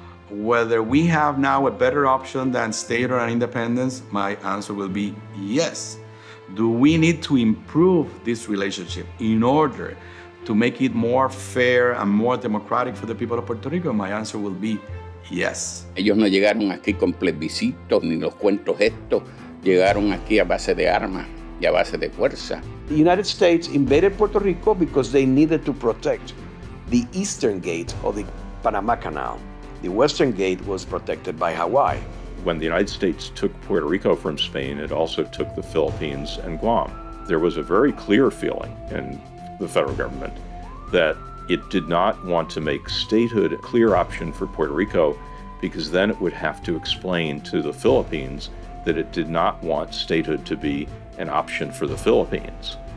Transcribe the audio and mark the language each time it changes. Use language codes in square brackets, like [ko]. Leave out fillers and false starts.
[en] Whether we have now a better option than state or independence, my answer will be yes. Do we need to improve this relationship in order to make it more fair and more democratic for the people of Puerto Rico? My answer will be yes. [es] Ellos no llegaron aquí con plebiscitos ni los cuentos estos. Llegaron aquí a base de armas y a base de fuerza. [en] The United States invaded Puerto Rico because they needed to protect the Eastern Gate of the Panama Canal. The Western Gate was protected by Hawaii. When the United States took Puerto Rico from Spain, it also took the Philippines and Guam. There was a very clear feeling in the federal government that it did not want to make statehood a clear option for Puerto Rico, because then it would have to explain to the Philippines that it did not want statehood to be an option for the Philippines.